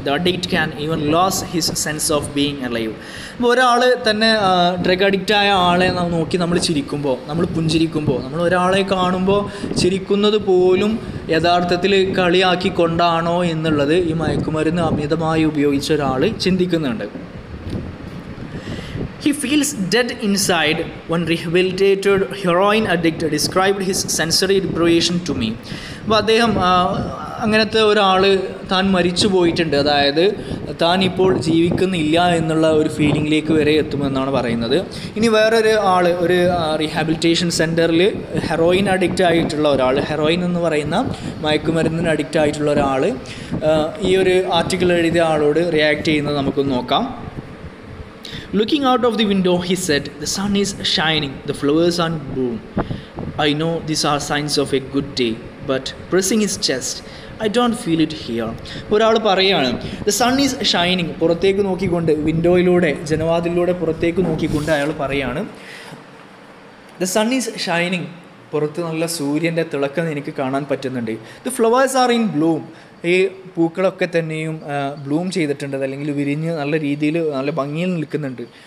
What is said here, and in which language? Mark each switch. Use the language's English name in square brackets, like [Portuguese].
[English] The addict can even lose his sense of being alive. [Malayalam] അപ്പോൾ ഒരാൾ തന്നെ drug അഡിക്റ്റായ ആളെ നോക്കി നമ്മൾ ചിരിക്കുമ്പോൾ, നമ്മൾ പുഞ്ചിരിക്കുമ്പോൾ, നമ്മൾ ഒരാളെ കാണുമ്പോൾ ചിരിക്കുന്നത് പോലും യഥാർത്ഥത്തിൽ കളിയാക്കിക്കൊണ്ടാണോ എന്നുള്ളത് ഈ മയക്കുമരുന്ന് അമിതമായി ഉപയോഗിച്ച ഒരാൾ ചിന്തിക്കുന്നുണ്ട്. [English] He feels dead inside. One rehabilitated heroin addict described his sensory deprivation to me. [Malayalam] അപ്പോൾ അദ്ദേഹം അങ്ങനത്തെ ഒരാൾ താൻ മരിച്ചു പോയിട്ടുണ്ട്, അതായത് താൻ ഇപ്പോൾ ജീവിക്കുന്നില്ല എന്നുള്ള ഒരു ഫീലിംഗിലേക്ക് വരെ എത്തുമെന്നാണ് പറയുന്നത്. ഇനി വേറൊരു ആൾ ഒരു റീഹാബിലിറ്റേഷൻ സെൻറ്ററിൽ ഹെറോയിൻ അഡിക്റ്റ് ആയിട്ടുള്ള ഒരാൾ, ഹെറോയിൻ എന്ന് പറയുന്ന മയക്കുമരുന്നിന് അഡിക്റ്റ് ആയിട്ടുള്ള ഒരാൾ ഈ ഒരു ആർട്ടിക്കിൾ എഴുതിയ ആളോട് റിയാക്ട് ചെയ്യുന്നത് നമുക്കൊന്ന് നോക്കാം. [English] Looking out of the window, he said, "The sun is shining, the flowers are in bloom. I know these are signs of a good day, but pressing his chest, I don't feel it here." [Malayalam] ഒരാൾ പറയുകയാണ്, [English] the sun is shining, [Malayalam] പുറത്തേക്ക് നോക്കിക്കൊണ്ട് വിൻഡോയിലൂടെ ജനവാതിലൂടെ പുറത്തേക്ക് നോക്കിക്കൊണ്ട് അയാൾ പറയുകയാണ്, the sun is shining, പുറത്ത് നല്ല സൂര്യൻ്റെ തിളക്കം എനിക്ക് കാണാൻ പറ്റുന്നുണ്ട്. [English] the flowers are in bloom, [Malayalam] ഈ പൂക്കളൊക്കെ തന്നെയും ബ്ലൂം ചെയ്തിട്ടുണ്ട്, അല്ലെങ്കിൽ വിരിഞ്ഞ് നല്ല രീതിയിൽ നല്ല ഭംഗിയിൽ നിൽക്കുന്നുണ്ട്.